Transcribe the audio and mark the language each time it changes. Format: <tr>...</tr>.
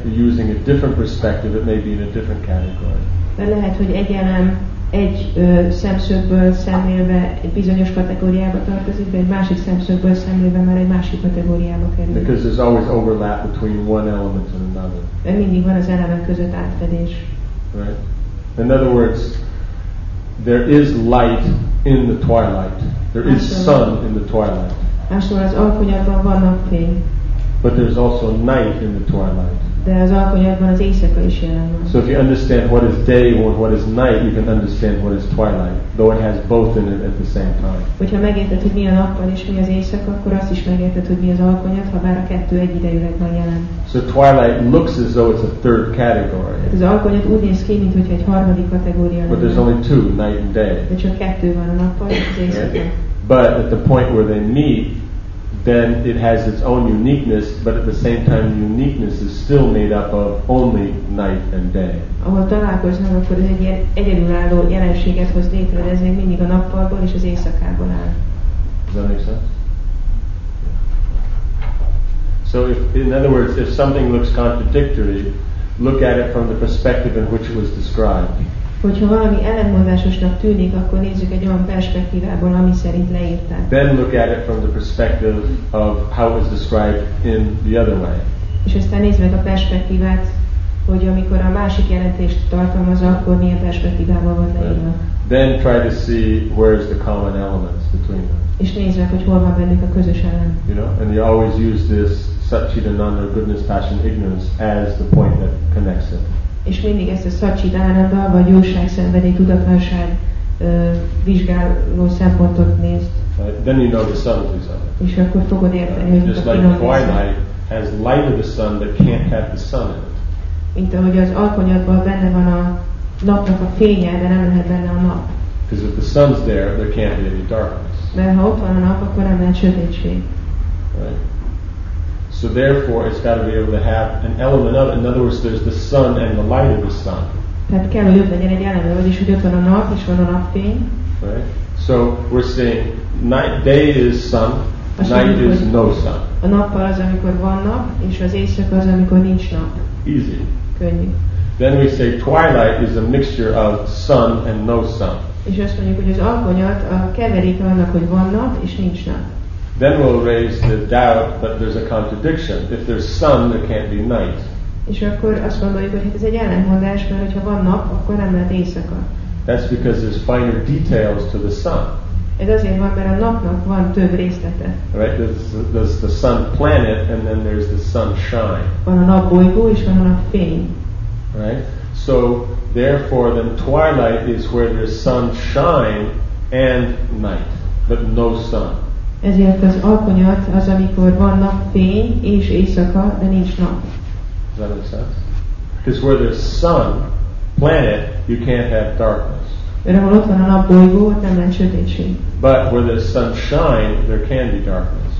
<en>You're using a different perspective, it may be in a different category.</en> <hu>De lehet, hogy egy elem egy szemszögből szemlélve egy bizonyos kategóriába tartozik, de egy másik szemszögből szemlélve már egy másik kategóriába kerül.</hu> <en>Because there's always overlap between one element and another.</en> <hu>De mindig van az elemek között átfedés.</hu> <en>Right. In other words, there is light in the twilight. There is sun in the twilight.</en> <hu>Másról az alkonyatban van napfény.</hu> <en>But there's also night in the twilight.</en> <hu>De az alkonyatban az éjszaka is jelen van.</hu> <en>So if you understand what is day or what is night, you can understand what is twilight, though it has both in it at the same time.</en> <hu>Hogyha megérted, hogy mi a nappal és mi az éjszaka, akkor azt is megérted, hogy mi az alkonyat, ha bár a kettő egyidejűleg van jelen.</hu> <en>So twilight looks as though it's a third category.</en> <hu>Az alkonyat úgy néz ki, mint hogyha egy harmadik kategória lenne.</hu> <en>But there's only two, night and day.</en> <hu>De csak kettő van, a nappal és az éjszaka.</hu> <en>But at the point where they meet, then it has its own uniqueness, but at the same time the uniqueness is still made up of only night and day.</en> <hu>Ahol találkoznak, akkor ez egy ilyen egyedülálló jelenséget hoz létre, de ez még mindig a nappalból és az éjszakából áll.</hu> <en>Does that make sense? So if, in other words, if something looks contradictory, look at it from the perspective in which it was described.</en> <hu>Hogyha valami ellentmondásosnak tűnik, akkor nézzük egy olyan perspektívából, ami szerint leírták.</hu> <en>Then look at it from the perspective of how it was described in the other way.</en> <hu>És aztán nézd meg a perspektívát, hogy amikor a másik jelentést tartalmaz, akkor milyen perspektívával volt leírva.</hu> <en>Then try to see where is the common elements between them.</en> <hu>És nézd meg, hogy hol van bennük a közös elem.</hu> <en>You know, and you always use this Satchitananda, goodness, passion, ignorance as the point that connects it.</en> <hu>És mindig ezt a szacsit áradva, vagy jóság, szenvedély, tudatlanság vizsgáló szempontot nézd.</hu> <en>Then you know the subtleties of it.</en> <hu>És akkor fogod érteni, hogy</hu> <en>just like twilight has light of the sun, but can't have the sun in it.</en> <hu>Mint ahogy az alkonyatban benne van a napnak a fénye, de nem lehet benne a nap.</hu> <en>Because if the sun's there, there can't be any darkness.</en> <hu>Mert ha ott van a nap, akkor nem lehet sötétség.</hu> <en>So therefore, it's got to be able to have an element of. In other words, there's the sun and the light of the sun.</en> <hu>Tehát kell, hogy ott legyen egy eleme, vagyis hogy ott van a nap és van a napfény.</hu> <en>Right. So we're saying night, day is sun, night is no sun.</en> <hu>A nap az, amikor van nap, és az éjszaka az, amikor nincs nap.</hu> <en>Easy.</en> <hu>Könnyű.</hu> <en>Then we say twilight is a mixture of sun and no sun.</en> <hu>És azt mondjuk, hogy az alkonyat a keverék annak, hogy van nap és nincs nap.</hu> <en>Then we'll raise the doubt that there's a contradiction. If there's sun, there can't be night.</en> <hu>És akkor azt gondoljuk, hogy hát ez egy ellentmondás, mert hogyha van nap, akkor nem lehet éjszaka.</hu> <en>That's because there's finer details to the sun.</en> <hu>Ez azért van, mert a napnak van több részlete.</hu> <en>Right, there's the sun planet, and then there's the sunshine.</en> <hu>Van a nap bolygó, és van a nap fény.</hu> <en>Right, so therefore then twilight is where there's sunshine and night, but no sun.</en> <hu>Ezért az alkonyat az, amikor van nap fény és éjszaka, de nincs nap.</hu> <en>Does that make sense? Because where there's sun, planet, you can't have darkness.</en> <hu>De ahol ott van a nap bolygó, ott nem lehet sötétség.</hu> <en>But where there's sunshine, there can be darkness.</en>